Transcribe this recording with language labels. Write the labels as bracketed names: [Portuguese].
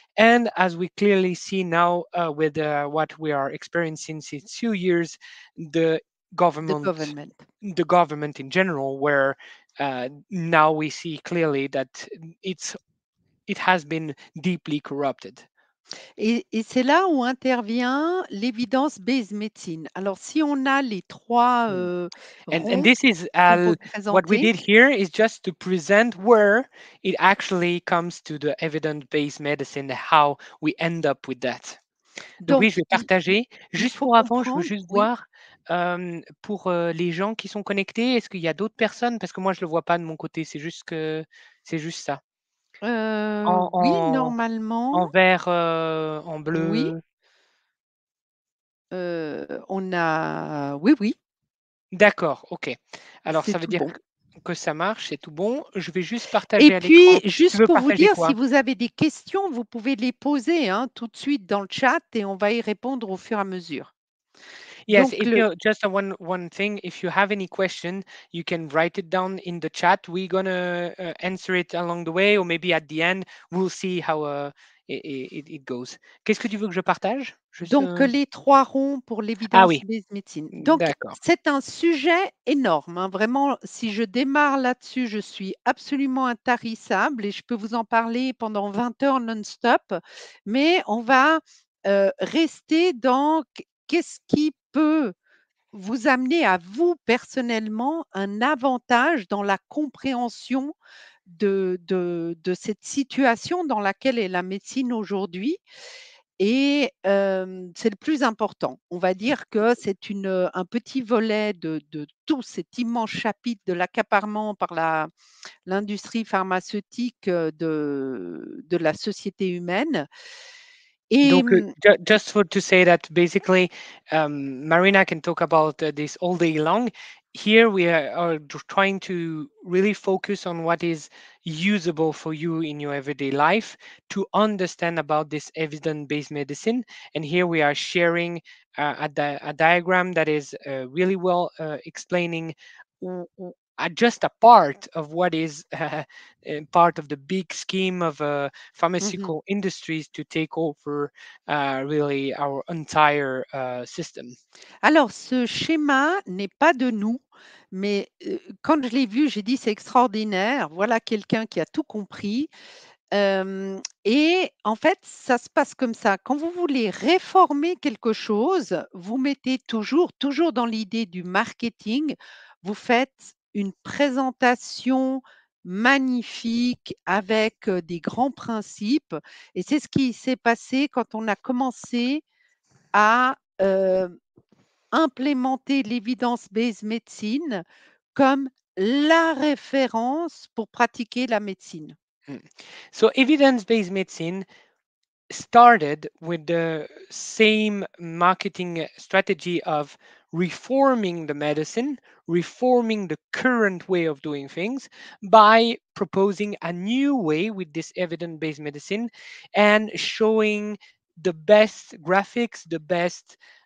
[English] And as we clearly see now with what we are experiencing since 2 years, the government in general, where now we see clearly that it has been deeply corrupted. [French] Et c'est là où intervient l'evidence-based medicine. Alors, si on a les trois [English] And this is what we did here is just to present where it actually comes to the evidence-based medicine, how we end up with that. [French] Donc oui, je vais partager. Juste pour avant, je veux juste voir pour les gens qui sont connectés, est-ce qu'il y a d'autres personnes? Parce que moi, je ne le vois pas de mon côté, c'est juste ça. Normalement. En vert, en bleu. Oui. On a. Oui. D'accord, ok. Alors, c'est ça veut dire que ça marche, c'est tout bon. Je vais juste partager et à l'écran. Et puis, juste pour vous dire, si vous avez des questions, vous pouvez les poser hein, tout de suite dans le chat et on va y répondre au fur et à mesure. [English] Yes, donc, one thing. If you have any question, you can write it down in the chat. We're gonna answer it along the way, or maybe at the end, we'll see how it goes. [French] Qu'est-ce que tu veux que je partage? Les trois ronds pour l'evidence-based medicine. Donc, d'accord. C'est un sujet énorme. Hein. Vraiment, si je démarre là-dessus, je suis absolument intarissable et je peux vous en parler pendant 20 heures non-stop. Mais on va rester dans qu'est-ce qui peut vous amener à vous personnellement un avantage dans la compréhension de cette situation dans laquelle est la médecine aujourd'hui. Et c'est le plus important. On va dire que c'est un petit volet de tout cet immense chapitre de l'accaparement par l'industrie pharmaceutique de la société humaine. [English] Donc, just for to say that basically, Marina can talk about this all day long. Here we are trying to really focus on what is usable for you in your everyday life to understand about this evidence-based medicine. And here we are sharing a diagram that is really well explaining just a part of what is part of the big scheme of pharmaceutical industries to take over really our entire system. [French] Alors, ce schéma n'est pas de nous, mais quand je l'ai vu, j'ai dit c'est extraordinaire. Voilà quelqu'un qui a tout compris. Et en fait, ça se passe comme ça. Quand vous voulez réformer quelque chose, vous mettez toujours dans l'idée du marketing, vous faites une présentation magnifique avec des grands principes. Et c'est ce qui s'est passé quand on a commencé à implémenter l'evidence-based medicine comme la référence pour pratiquer la médecine. [English] So evidence-based medicine started with the same marketing strategy of reforming the medicine, reforming the current way of doing things by proposing a new way with this evidence-based medicine and showing the best graphics, the best